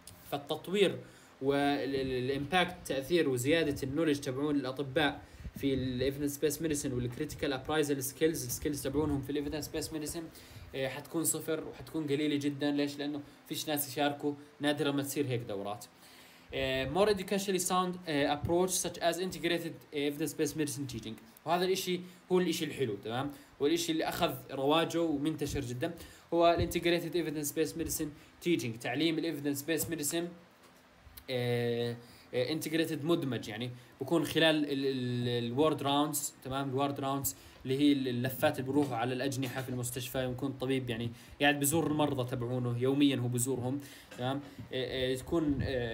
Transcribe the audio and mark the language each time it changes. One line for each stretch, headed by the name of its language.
Arabic: فالتطوير والإمباكت تأثير وزيادة النولج تبعون الأطباء في الإيفيدنس بيس ميديسن والكريتيكال أبرايزل سكيلز، السكيلز تبعونهم في الإيفيدنس بيس ميديسن حتكون صفر وحتكون قليلة جدا. ليش؟ لأنه فيش ناس يشاركوا، نادرة ما تصير هيك دورات.
English: More educationally sound approach such as integrated evidence based medicine teaching.
Arabic: وهذا الإشي هو الإشي الحلو، تمام؟ والإشي اللي أخذ رواجه ومنتشر جدا هو
English: integrated evidence based medicine teaching،
Arabic: تعليم evidence based medicine integrated مدمج، يعني بكون خلال ال ward rounds، تمام؟ ward rounds اللي هي اللفات اللي بروحوا على الأجنحة في المستشفى، يكون طبيب يعني قاعد بزور المرضى تبعونه يوميا، هو بزورهم، تمام؟ تكون